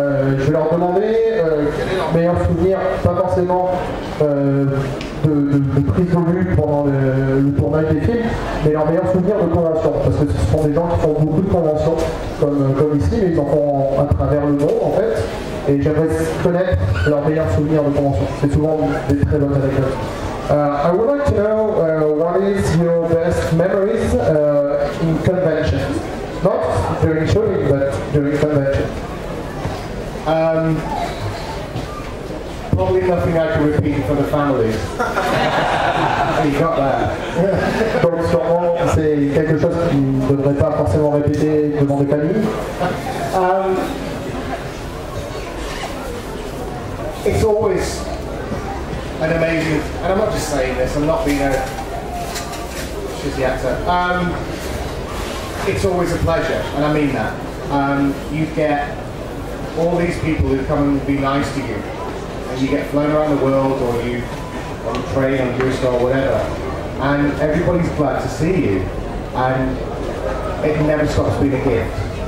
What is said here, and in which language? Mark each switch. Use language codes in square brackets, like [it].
[fr] Je vais leur demander meilleur souvenir, pas forcément de prise de vue pendant le tournage des films, mais leur meilleur souvenir de convention. Parce que ce sont des gens qui font beaucoup de conventions, comme ici, mais ils en font à travers le monde en fait. Et j'aimerais connaître leur meilleur souvenir de convention. C'est souvent des très bonnes anecdotes. [en] I would like to know what is your best memories in convention. Not during shooting, but during convention. Probably nothing I can repeat for the family. You got that. [fr] Donc sûrement c'est quelque chose qui ne devrait pas forcément répéter devant des familles. [en] It's always an amazing, and I'm not just saying this, I'm not being a shitty actor. It's always a pleasure, and I mean that. You get all these people who come and be nice to you, and you get flown around the world, or you on a train, on a cruise, or whatever, and everybody's glad to see you, and it never stops being a gift.